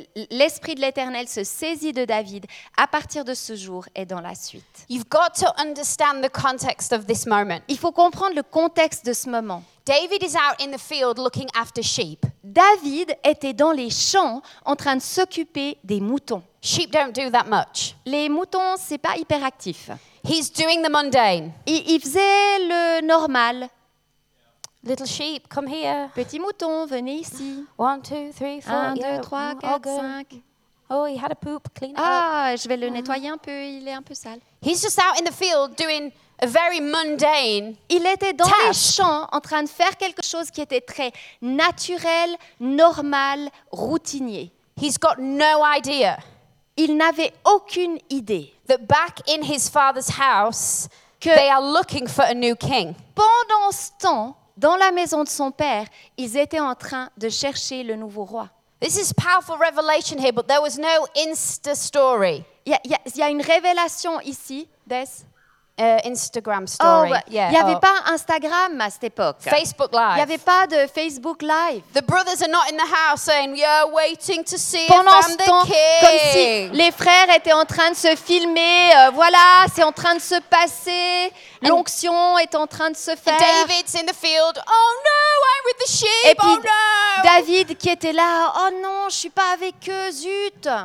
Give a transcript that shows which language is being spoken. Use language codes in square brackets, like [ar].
[fr] L'Esprit de l'Éternel se saisit de David à partir de ce jour et dans la suite. [en] You've got to understand the context of this moment. [fr] Il faut comprendre le contexte de ce moment. [en] David is out in the field looking after sheep. [fr] David était dans les champs en train de s'occuper des moutons. [en] Sheep don't do that much. [fr] Les moutons, c'est pas hyperactif. [en] He's doing the mundane. [fr] Il faisait le normal. [en] Little sheep, come here. [fr] Petit mouton, venez ici. [en] 1, 2, 3, 4, 5. Oh, he had a poop, clean it ah, up. [fr] Ah, je vais le nettoyer un peu, il est un peu sale. [en] He's just out in the field doing a very mundane [fr] il était dans [en] task. [fr] Les champs en train de faire quelque chose qui était très naturel, normal, routinier. [en] He's got no idea. [fr] Il n'avait aucune idée. [en] That back in his father's house, [fr] que [en] they are looking for a new king. [fr] Pendant ce temps, dans la maison de son père, ils étaient en train de chercher le nouveau roi. [en] This is powerful revelation here, but there was no Insta story. [fr] Il y a une révélation ici, Des. [en] Instagram story. [fr] Il n'y avait pas Instagram à cette époque. [en] Facebook Live. [fr] Il n'y avait pas de Facebook Live. [en] The brothers are not in the house saying, we are waiting to see [fr] pendant [en] if I'm the [fr] temps, [en] king. [fr] Comme si les frères étaient en train de se filmer. Voilà, c'est en train de se passer. L'onction est en train de se faire. [en] David's in the field. Oh no, I'm with the sheep. [fr] Et puis, [en] oh no. [fr] David qui était là. Oh non, je ne suis pas avec eux, zut.